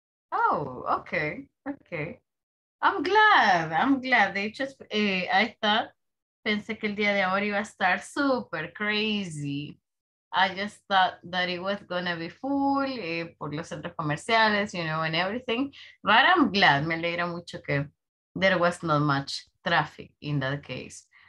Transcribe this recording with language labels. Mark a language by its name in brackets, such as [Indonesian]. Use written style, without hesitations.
[English] Oh, okay. I'm glad. They just, I thought [Spanish] Pensé que el día de ahora iba a estar super crazy. [English] I just thought that it was gonna be full [Spanish] por los centros comerciales, [English] you know, and everything. But I'm glad, [Spanish] me alegra mucho que [English] there was not much traffic in that case.